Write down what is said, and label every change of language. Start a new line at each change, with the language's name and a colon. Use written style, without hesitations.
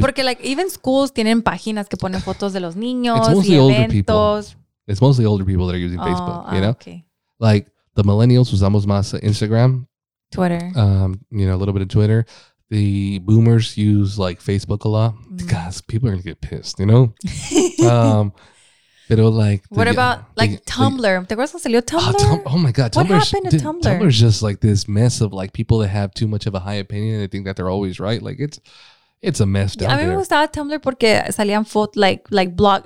Spanish: Porque, like,
English: even schools
Spanish: tienen páginas que ponen fotos de los niños.
English: It's mostly older people. It's mostly older people that are using Facebook, you know? Okay. Like, the millennials
Spanish: usamos más
English: Instagram. Twitter. You know, a little bit of Twitter. The boomers use, like, Facebook a lot. Mm. God, people are going to get pissed, you know?
Spanish: Pero like Tumblr? ¿Te acuerdas cuando salió Tumblr?
English: Oh my God. What happened to Tumblr? Tumblr's just like this mess of like people that have too much of a high opinion and they think that they're always right. Like it's a mess down there.
Spanish: A mí me gustaba Tumblr porque salían fotos, like blog.